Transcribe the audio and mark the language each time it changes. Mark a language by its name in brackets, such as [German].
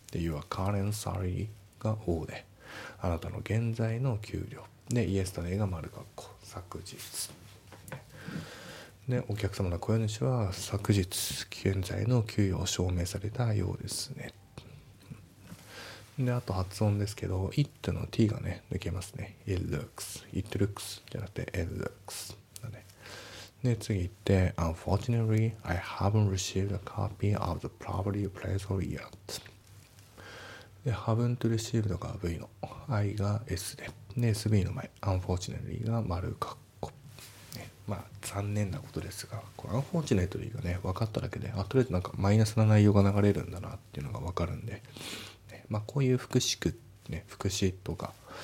[Japanese] で your current salary が o で、あなたの現在の給料で、 yesterday が丸括弧、昨日で、お客様の雇用主は昨日現在の給与を証明されたようですね。であと発音ですけど、 it の t がね抜けますね。 it looks、 it looks じゃなくて it looks だね。で次行って、 [English] unfortunately I haven't received a copy of the property appraisal yet。 [Japanese] で haven't received が v の、 i が s で、で sb の前 unfortunately が丸括弧、ね、まあ残念なことですが、これ unfortunately がね分かっただけで、あ、とりあえずなんかマイナスな内容が流れるんだなっていうのが分かるんで、まあ、こういう副詞、ね、副詞とか